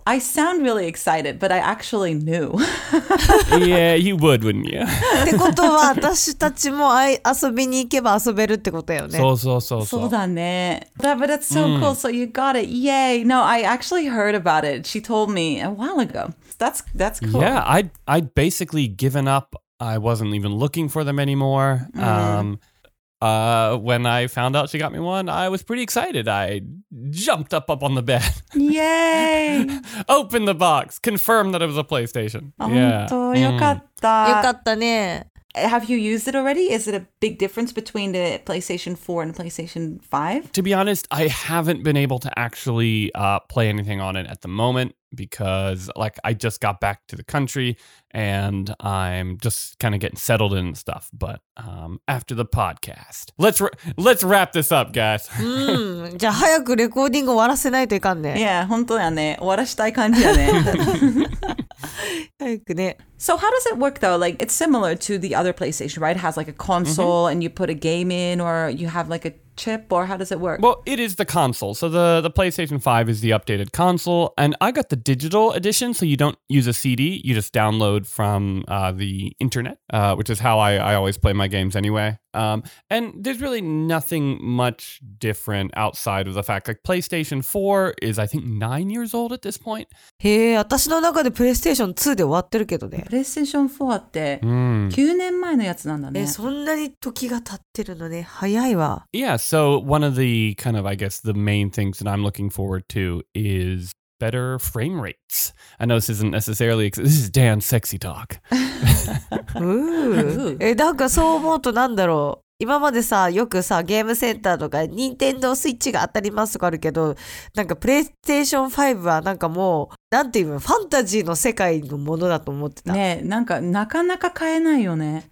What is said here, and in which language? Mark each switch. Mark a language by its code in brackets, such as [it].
[en] I sound really excited, but I actually knew. Yeah, you would, wouldn't you? [ja] ってことは、私たちも遊びに行けば遊べるってことよね。そうそうそうそう。そうだね。 [en] That, but that's so cool. So you got it. Yay! No, I actually heard about it. She told me a while ago. That's cool. Yeah, I'd basically given up. I wasn't even looking for them anymore. When I found out she got me one, I was pretty excited. I jumped up on the bed. Yay! Opened the box, confirmed that it was a PlayStation. [ja] よかったね。 [en] Have you used it already? Is it a big difference between the PlayStation 4 and the PlayStation 5? To be honest, I haven't been able to actually play anything on it at the moment because like I just got back to the country and I'm just kind of getting settled in and stuff. But after the podcast, let's wrap this up, guys. [ja] じゃあ早くレコーディング終わらせないといかんね。 Yeah, 本当やね。終わらしたい感じやね。 [en] So how does it work though? Like it's similar to the other PlayStation, right? It has like a console and you put a game in or you have like a chip or how does it work? Well, it is the console. So the PlayStation 5 is the updated console and I got the digital edition. So you don't use a CD. You just download from the internet, which is how I always play my games anyway. And there's really nothing much different outside of the fact that PlayStation 4 is, I think, 9 years old at this point. [ja] Hey, 私の中で PlayStation 2で終わってるけどね。 PlayStation 4って9年前のやつなんだね。そんなに時が経ってるのね。早いわ。 [en] Yeah, so one of the kind of, I guess, the main things that I'm looking forward to is better frame rates. I know this isn't necessarily, this is Dan's sexy talk. Ooh. [ja] なんかそう思うとなんだろう。今までさ、よくさ、ゲームセンターとか、ニンテンドースイッチが当たりますとかあるけど、なんかプレイステーション5はなんかもう、なんていうの、ファンタジーの世界のものだと思ってた。ねえ、なんかなかなか買えないよね。